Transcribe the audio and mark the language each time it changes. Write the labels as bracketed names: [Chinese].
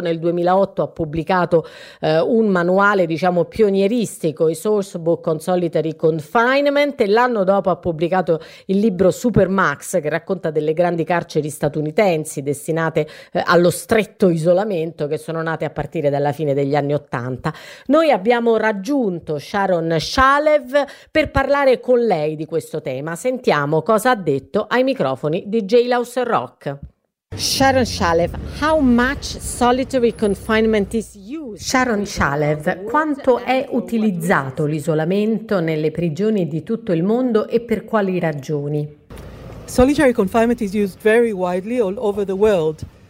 [Italian] Nel 2008 ha pubblicato un manuale, diciamo, pionieristico, i Source Book on Solitary Confinement, e l'anno dopo ha pubblicato il libro Supermax, che racconta delle grandi carceri statunitensi destinate allo stretto isolamento, che sono nate a partire dalla fine degli anni Ottanta. Noi abbiamo raggiunto Sharon Shalev per parlare con lei di questo tema. Sentiamo cosa ha detto ai microfoni di J-Laus Rock. [English] Sharon Shalev, how much solitary confinement is used? [Italian] Sharon Shalev, quanto è utilizzato l'isolamento nelle prigioni di tutto il mondo e per quali ragioni? [English] Solitary confinement is used very widely all over the world.